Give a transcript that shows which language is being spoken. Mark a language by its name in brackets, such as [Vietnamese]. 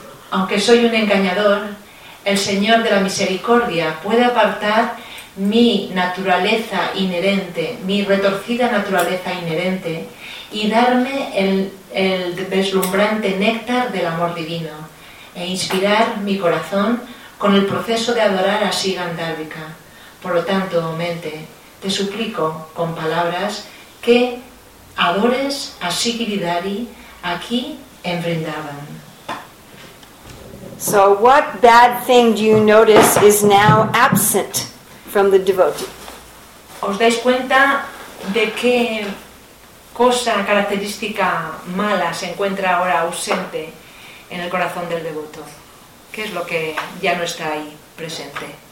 [Spanish] Aunque soy un engañador, el Señor de la Misericordia puede apartar mi naturaleza inherente, mi retorcida naturaleza inherente, y darme el deslumbrante néctar del amor divino, e inspirar mi corazón con el proceso de adorar a Sri Gandharvika. Por lo tanto, mente, te suplico con palabras que adores a Sri Giridhari aquí en Vrindavan. [English] So, what bad thing do you notice is now absent from the devotee? [Spanish] ¿Os dais cuenta de qué cosa característica mala se encuentra ahora ausente en el corazón del devoto? ¿Qué es lo que ya no está ahí presente?